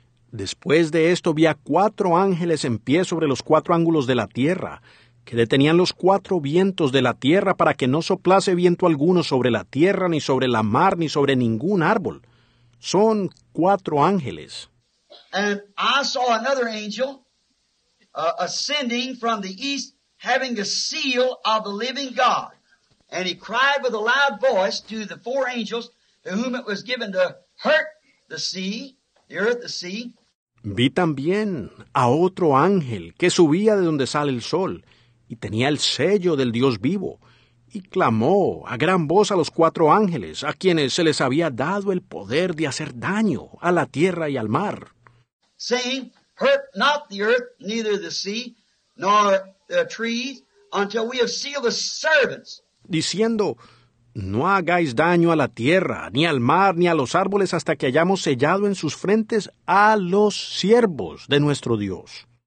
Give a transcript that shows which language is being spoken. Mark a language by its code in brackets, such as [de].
[es] Después de esto, vi a cuatro ángeles en pie sobre los cuatro ángulos de la tierra, que detenían los cuatro vientos de la tierra para que no soplase viento alguno sobre la tierra, ni sobre la mar, ni sobre ningún árbol. Son cuatro ángeles. [en] And I saw another angel ascending from the east, having the seal of the living God. And he cried with a loud voice to the four angels to whom it was given to hurt the sea, the earth, the sea. [es] Vi también a otro ángel que subía de donde sale el sol y tenía el sello del Dios vivo, y clamó a gran voz a los cuatro ángeles a quienes se les había dado el poder de hacer daño a la tierra y al mar. [en] Saying, hurt not the earth, neither the sea, nor the trees, until we have sealed the servants. [es] Diciendo, no hagáis daño a la tierra, ni al mar, ni a los árboles, hasta que hayamos sellado en sus frentes a los siervos de nuestro Dios.